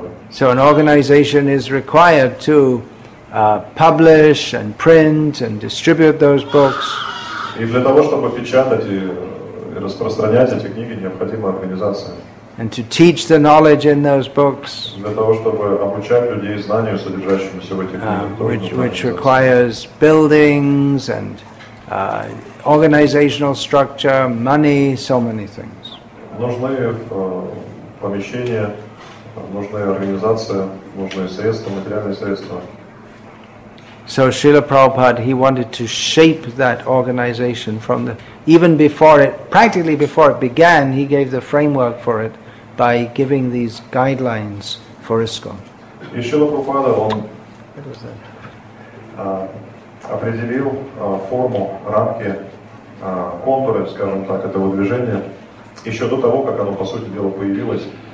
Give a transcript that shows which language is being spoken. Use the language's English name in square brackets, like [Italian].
[English] So an organization is required to publish and print and distribute those books. [Russian] И для того, чтобы печатать и распространять эти книги, необходима организация. [English] And to teach the knowledge in those books. [Russian] Для того, чтобы обучать людей знанию, содержащемуся в этих книгах. [English] Which requires buildings and organizational structure, money, so many things. [Russian] Нужны помещения, нужны организации, нужны средства, материальные средства. [English] So Srila Prabhupada, he wanted to shape that organization from the even before it, practically before it began, he gave the framework for it by giving these guidelines for ISKCON. [Russian] И Srila Prabhupada, он определил форму, рамки, контуры, скажем так, этого движения еще до того, как оно, по сути дела, появилось.